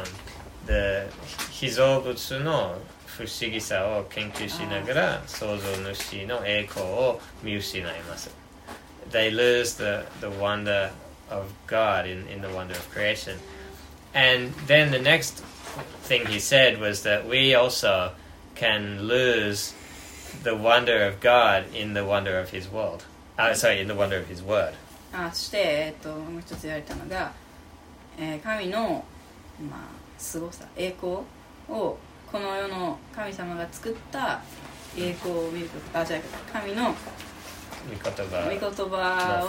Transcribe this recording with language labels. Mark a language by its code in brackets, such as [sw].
[ja] 想像論、非造物の不思議さを研究しながら創造主の栄光を見失います。 [en] They lose the wonder of God in the wonder of creation. And then the next thing he said was that we also can lose the wonder of God in the wonder of his world. In the wonder of his word. [ja] そして、もう一つ言われたのが、神の、まあ、すごさ、栄光をこの世の神様が作った栄光を見ること、あ、じゃあ神の御言葉